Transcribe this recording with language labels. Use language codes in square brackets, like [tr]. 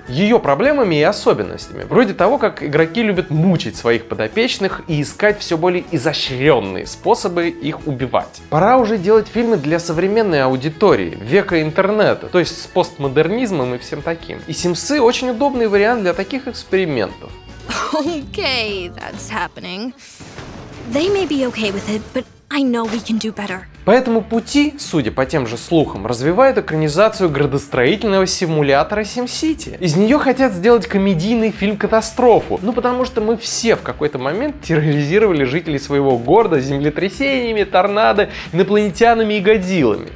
[ru] Ее проблемами и особенностями. Вроде того, как игроки любят мучить своих подопечных и искать все более изощренные способы их убивать. Пора уже делать фильмы для современной аудитории, века интернета, то есть способ постмодернизмом и всем таким. И Симсы очень удобный вариант для таких экспериментов. [en] Okay, that's happening. They may be okay with it, but I know we can do better. [ru] Поэтому пути, судя по тем же слухам, развивают экранизацию градостроительного симулятора SimCity. Из нее хотят сделать комедийный фильм-катастрофу. Ну потому что мы все в какой-то момент терроризировали жителей своего города землетрясениями, торнадо, инопланетянами и годзиллами.